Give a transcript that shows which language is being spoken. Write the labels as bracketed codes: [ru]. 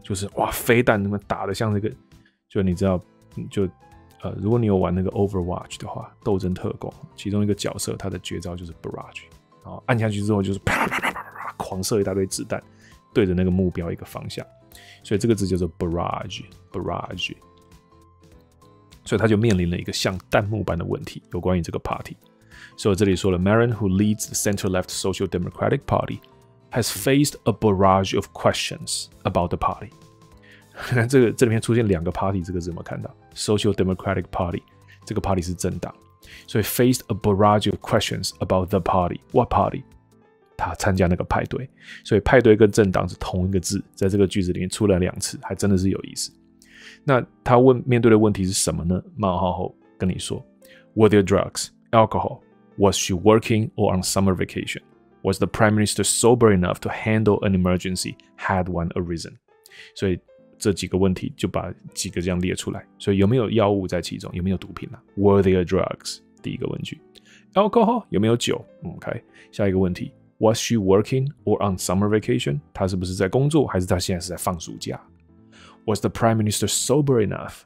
[zh] 就是哇，飞弹那么打的像那个，就你知道，就如果你有玩那个 Overwatch 的话，斗争特工，其中一个角色他的绝招就是 Barrage， 然后按下去之后就是啪啪啪啪啪啪，狂射一大堆子弹，对着那个目标一个方向。所以这个字叫做 Barrage。所以他就面临了一个像弹幕般的问题，有关于这个 party。所以这里说了 [en] ，Marin, who leads the center-left Social Democratic Party, has faced a barrage of questions about the party. [zh] 这里面出现两个 party 这个字，有没有看到 ？Social Democratic Party 这个 party 是政党，所以 [en] faced a barrage of questions about the party. What party? [zh] 他参加那个派对，所以派对跟政党是同一个字，在这个句子里面出了两次，还真的是有意思。那他问面对的问题是什么呢？冒号后跟你说 ， [en] Were there drugs, alcohol? Was she working or on summer vacation? Was the prime minister sober enough to handle an emergency? Had one arisen? [zh] 所以这几个问题就把几个这样列出来。所以有没有药物在其中？有没有毒品啊 ？ [en] Were there drugs? [zh] 第一个问句。Alcohol 有没有酒 ？OK。下一个问题 [en] ：Was she working or on summer vacation? [zh] 她是不是在工作，还是她现在是在放暑假 ？ [en] Was the prime minister sober enough?